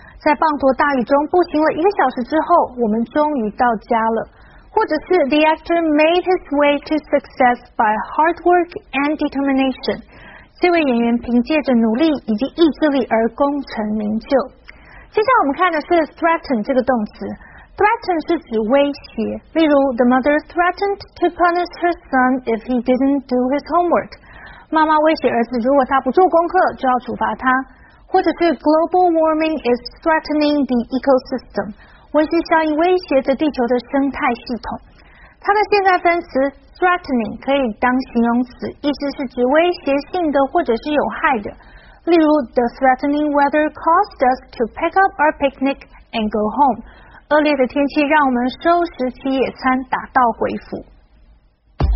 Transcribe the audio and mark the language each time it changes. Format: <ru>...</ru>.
<zh>在滂沱大雨中步行了一个小时之后，我们终于到家了。或者是</zh> <en>，The actor made his way to success by hard work and determination。</en> <zh>这位演员凭借着努力以及意志力而功成名就。接下来我们看的是 threaten 这个动词。Threaten 是指威胁，例如</zh> <en>The mother threatened to punish her son if he didn't do his homework.</en> <zh>妈妈威胁儿子，如果他不做功课，就要处罚他。或者是</zh> <en>Global warming is threatening the ecosystem.</en> <zh>温室效应威胁着地球的生态系统。它的现在分词 threatening 可以当形容词，意思是指威胁性的或者是有害的。例如</zh> <en>The threatening weather caused us to pack up our picnic and go home.</en> <zh>恶劣的天气让我们收拾起野餐，打道回府。</zh>